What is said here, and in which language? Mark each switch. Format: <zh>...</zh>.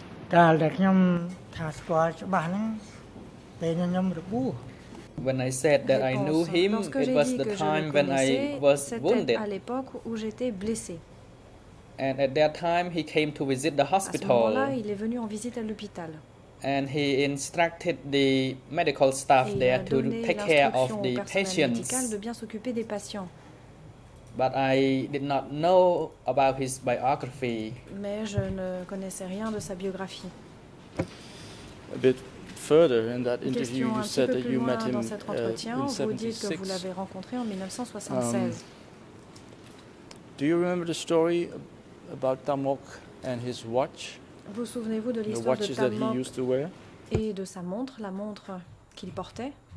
<en>When I said that I knew him, it was the time when I was wounded.</en> <fr>À l'époque où j'étais blessé.</fr> <en>And at that time, he came to visit the hospital.</en> <fr>À ce moment-là, il est venu en visite à l'hôpital.</fr> <en>And he instructed the medical staff</en> <fr>et</fr> <en>there to take care of the patients.</en> <fr>Médical de bien s'occuper des patients.</fr> <en>But I did not know about his biography.</en> <fr>Mais je ne connaissais rien de sa biographie.</fr> <en>A bit further in that interview,</en> <fr>question</fr> <en>you said that you met him in 1976. Do you remember the story about Tamok and his watch?</en> <fr>Vous souvenez-vous de l'histoire</fr> <en>the watches</en> <fr>de Tamok</fr> <en>that he used to wear?</en> <fr>Et de sa montre, la montre qu'il portait?</fr>